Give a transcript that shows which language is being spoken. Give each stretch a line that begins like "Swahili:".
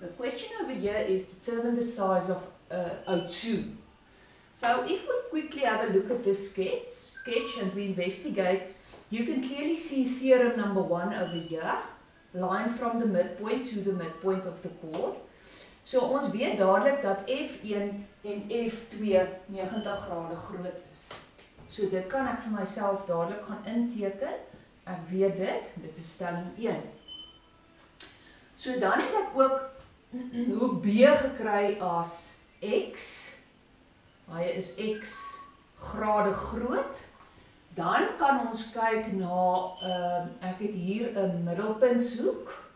English: The question over here is determine the size of O2. So if we quickly have a look at this sketch and we investigate, you can clearly see theorem number one over here, line from the midpoint to the midpoint of the chord.
Afrikaans: So ons weet dadelijk dat F1 en F2 90 grade groot is. So dit kan ek vir myself dadelijk gaan inteken. Ek weet dit, dit is stelling 1. So dan het ek ook hoek B gekry as X. Hy is X grade groot. Dan kan ons kyk na, ek het hier 'n middelpuntshoek.